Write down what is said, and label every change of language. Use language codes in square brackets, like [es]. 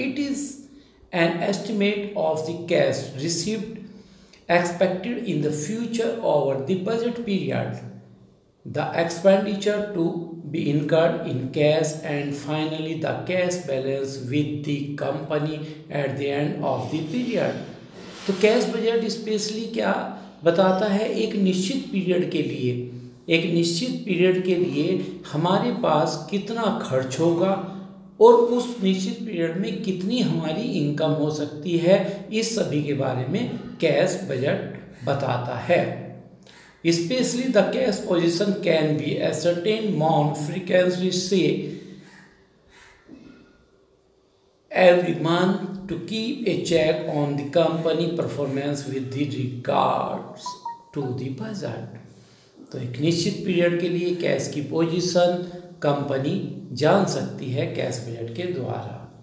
[en] It is an estimate of the cash received expected in the future over the budget period. The expenditure to be incurred in cash and finally the cash balance with the company at the end of the period. [hi] तो cash budget especially क्या बताता है? एक निश्चित period के लिए, एक निश्चित period के लिए हमारे पास कितना खर्च होगा और उस निश्चित period में कितनी हमारी income हो सकती है, इस सभी के बारे में cash budget बताता है. [en] Especially the cash position can be ascertained more frequently, say every month, to keep a check on the company performance with the regards to the budget. [hi] तो एक निश्चित पीरियड के लिए कैश की पोजिशन कंपनी जान सकती है कैश बजट के द्वारा.